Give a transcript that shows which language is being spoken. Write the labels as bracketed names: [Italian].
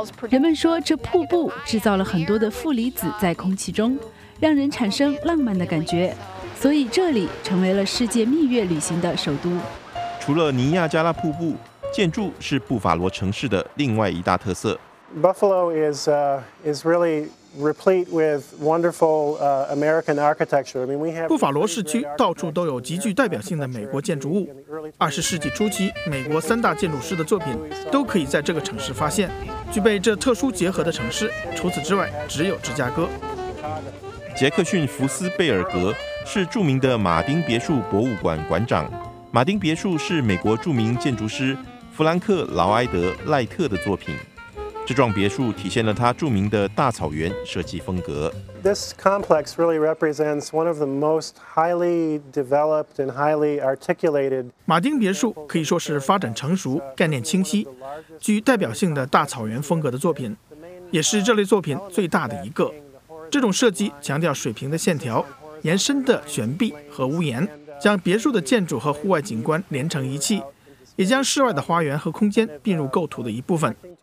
[Chinese] 人们说这瀑布制造了很多的负离子在空气中，让人产生浪漫的感觉，所以这里成为了世界蜜月旅行的首都。除了尼亚加拉瀑布，建筑是布法罗城市的另外一大特色。 [English] Buffalo is really replete with wonderful American architecture. I mean, we have. [Chinese] 布法罗市区到处都有极具代表性的美国建筑物。二十世纪初期，美国三大建筑师的作品都可以在这个城市发现。具备这特殊结合的城市，除此之外，只有芝加哥。杰克逊·福斯·贝尔格是著名的马丁别墅博物馆馆长。马丁别墅是美国著名建筑师弗兰克·劳埃德·赖特的作品。这幢别墅体现了他著名的大草原设计风格。 [English] This complex really represents one of the most highly developed and highly articulated. [Chinese] 马丁别墅可以说是发展成熟、概念清晰、具代表性的大草原风格的作品，也是这类作品最大的一个。这种设计强调水平的线条、延伸的悬臂和屋檐。将别墅的建筑和户外景观连成一气，也将室外的花园和空间并入构图的一部分。